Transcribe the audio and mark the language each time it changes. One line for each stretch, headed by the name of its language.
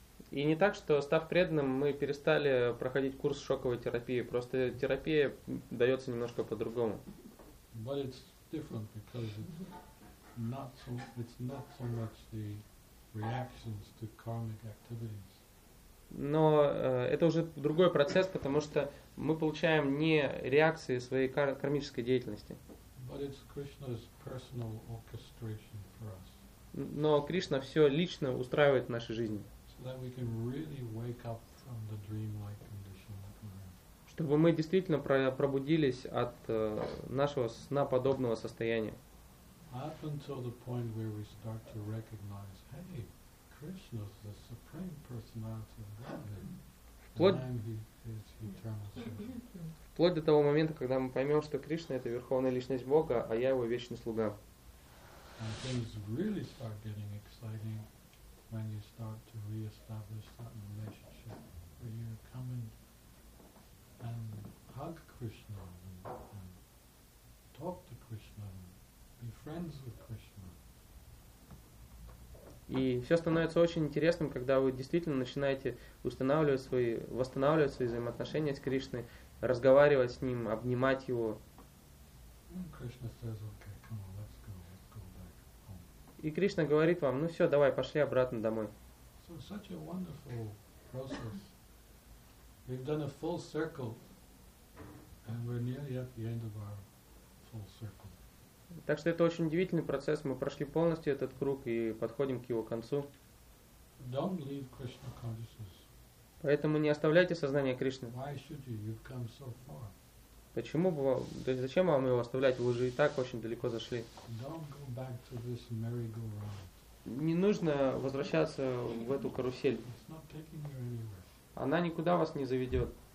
Russian: И не так, что став преданным, мы перестали проходить курс шоковой терапии. Просто терапия дается немножко по-другому.
English: Different because it's not so much the reactions to karmic activities.
Russian: Но это уже другой процесс, потому что мы получаем не реакции своей кармической деятельности.
English: But it's Krishna's personal orchestration for us.
Russian: Но Кришна все лично устраивает в нашей жизни.
English: So that we can really wake up from the dreamlike condition.
Russian: Чтобы мы действительно пробудились от нашего сна подобного состояния.
English: Up until the point where we start to recognize, hey, Krishna is the supreme personality of Godhead, and he is eternal servant.
Russian: Вплоть до того момента, когда мы поймем, что Кришна это верховная личность Бога, а я его вечный слуга.
English: And things really start getting exciting when you start to reestablish that relationship where you come in. And hug Krishna and talk to Krishna and be friends with Krishna.
Russian: И все становится очень интересным, когда вы действительно начинаете восстанавливать свои взаимоотношения с Кришной, разговаривать с ним, обнимать его.
English: And Krishna says, okay, come on, let's go back home.
Russian: И Кришна говорит вам, ну все, давай, пошли обратно домой.
English: So such a wonderful process. We've done a full circle, and we're nearly at the end of our full circle.
Russian: Так что это очень удивительный процесс. Мы прошли полностью этот круг и подходим к его концу.
English: Don't leave Krishna consciousness.
Russian: Поэтому не оставляйте сознание Кришны.
English: Why should you? You've come so far.
Russian: Почему бы вам, то есть зачем вам его оставлять? Вы уже и так очень далеко зашли.
English: Don't go back to this merry-go-round.
Russian: Не нужно возвращаться в эту карусель.
English: It's not taking you anywhere.
Russian: Она никуда вас не заведет.